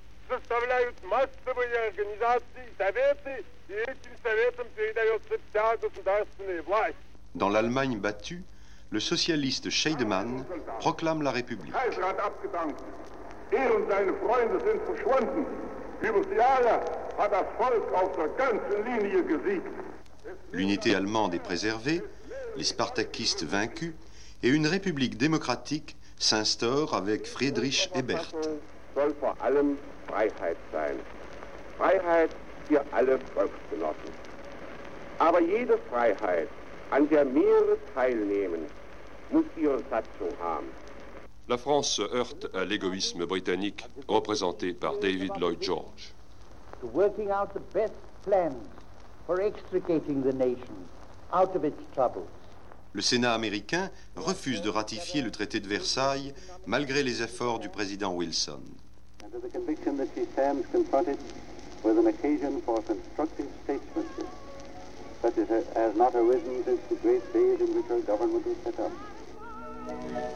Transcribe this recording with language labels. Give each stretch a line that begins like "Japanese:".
Russian: Заставляют массовые организации, советы, и этим советам передается вся государственная власть.
French: Dans l'Allemagne battue, le socialiste Scheidemann proclame la République.
German: Der Kaiser hat abgedankt. Er und seine Freunde sind verschwunden. Über sie alle hat das Volk auf der ganzen Linie gesiegt.
French: L'unité allemande est préservée, les spartakistes vaincus, et une république démocratique s'instaure avec Friedrich Ebert.
German: Soll vor allem Freiheit sein. Freiheit für alle Volksgenossen. Aber jede Freiheit, an der mehrere teilnehmen, muss ihre Satzung haben.
French: La France se heurte à l'égoïsme britannique représenté par David Lloyd George.
English: To working out the best plans for extricating the nation out of its troubles.
French: Le Sénat américain refuse de ratifier le traité de Versailles malgré les efforts du président Wilson.
English: Under the conviction that she stands confronted with an occasion for constructive statesmanship, such as has not arisen since the great days in which her government was set up.